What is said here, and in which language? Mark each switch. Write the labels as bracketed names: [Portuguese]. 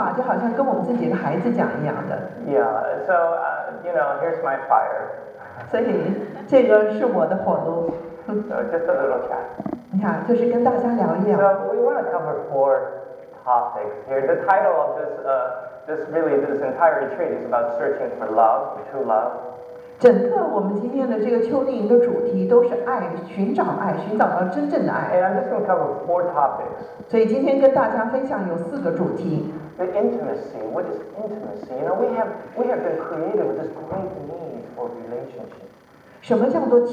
[Chinese] 这只是跟你们讲心里话，就好像跟我们自己的孩子讲一样的。 [English] Yeah, so you know, here's my fire. [Chinese] 所以这个是我的火炉。 [English] So just a little chat. [Chinese] 你看，就是跟大家聊一聊。 [English] So we want to cover 4 topics here. The title of this this entire retreat is about searching for love, true love. [Chinese] 整个我们今天的这个秋令营的主题都是爱，寻找爱，寻找到真正的爱。 [English] And I'm just going to cover 4 topics. [Chinese] 所以今天跟大家分享有4个主题。 [English] The intimacy, what is intimacy? You know, we have been created with this great need for relationship.